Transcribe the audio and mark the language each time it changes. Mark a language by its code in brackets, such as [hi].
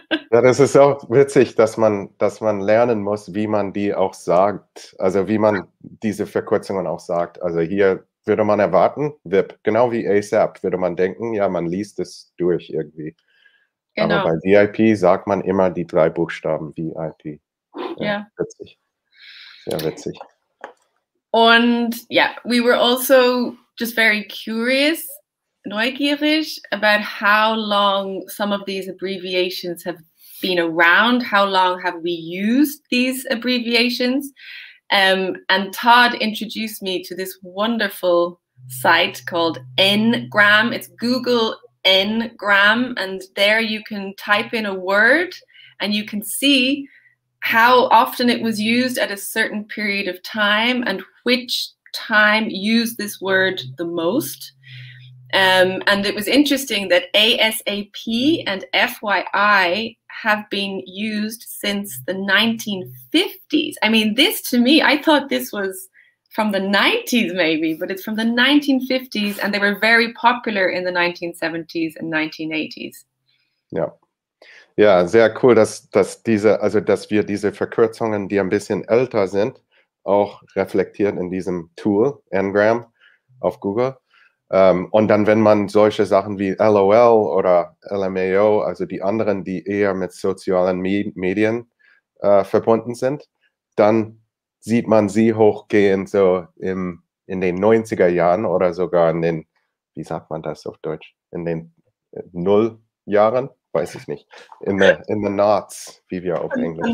[de] Ja, das ist auch witzig, dass man lernen muss, wie man die auch sagt. Also wie man diese Verkürzungen auch sagt. Also hier würde man erwarten, VIP, genau wie ASAP, würde man denken, ja, man liest es durch irgendwie. Genau. Aber bei VIP sagt man immer die drei Buchstaben VIP. Ja. Witzig. Sehr witzig. Und ja, [en] we were also just very curious, neugierig, about how long some of these abbreviations have been around, how long have we used these abbreviations. And Todd introduced me to this wonderful site called Ngram. It's Google Ngram, and there you can type in a word and you can see how often it was used at a certain period of time and which time used this word the most. And it was interesting that ASAP and FYI have been used since the 1950s. I mean, this to me, I thought this was from the 90s maybe, but it's from the 1950s, and they were very popular in the 1970s and 1980s. [de] Ja. Ja, sehr cool, dass wir diese Verkürzungen, die ein bisschen älter sind, auch reflektieren in diesem Tool, Ngram, auf Google. Und dann, wenn man solche Sachen wie LOL oder LMAO, also die anderen, die eher mit sozialen Medien verbunden sind, dann sieht man sie hochgehen so in den 90er Jahren oder sogar in den, wie sagt man das auf Deutsch, in den Nulljahren, weiß ich nicht, [en] in the Noughts, [de] wie wir auf Englisch